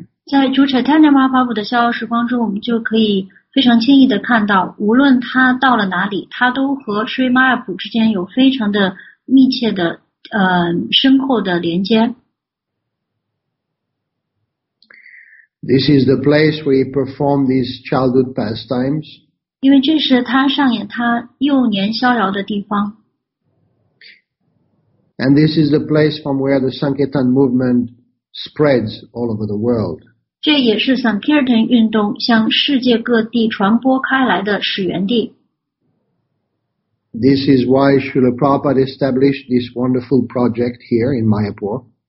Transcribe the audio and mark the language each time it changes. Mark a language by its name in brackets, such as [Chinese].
[Chinese] 在主 Chaitanya Mahaprabhu 的逍遥时光中，我们就可以非常轻易地看到，无论他到了哪里，他都和 Shri Mayapur 之间有非常的密切的、深厚的连接。 [English] This is the place where he performed his childhood pastimes. [Chinese] 因为这是他上演他幼年逍遥的地方。 [English] And this is the place from where the Sankirtan movement spreads all over the world. [Chinese] 这也是 Sankirtan 运动向世界各地传播开来的始源地。 [English] This is why Srila Prabhupada established this wonderful project here in Mayapur.